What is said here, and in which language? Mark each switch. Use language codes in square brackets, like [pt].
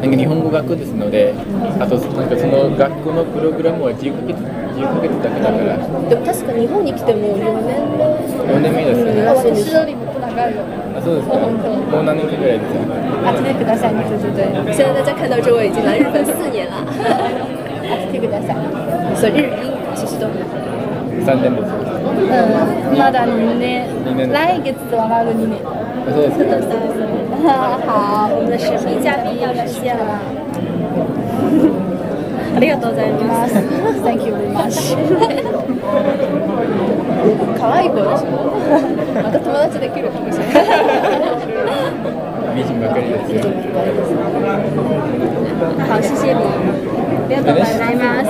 [ja] あとなんかその学校のプログラムは10ヶ月だけだから。でも確か日本に来ても4年目ですよね。私よりもっと長いよ。あ、そうですか。もう何年くらいですか。あ、聞いてください。 [zh] 对对对。现在大家看到这位已经来日本4年了。 [ja] あ、聞いてください。 [zh] 所以日英其实都。 [ja] 3年です。まだ2年。来月はまだ2年。あ、そうですか。 [zh] 好，我们的神秘嘉宾要出现了。 [ja] ありがとうございます。 [en] Thank you very much。 [ja] 可愛い子でしょ。また友達できるかもしれない。美人ばかりですよ。 [zh] 好、谢谢你。 [ja] ありがとうございます。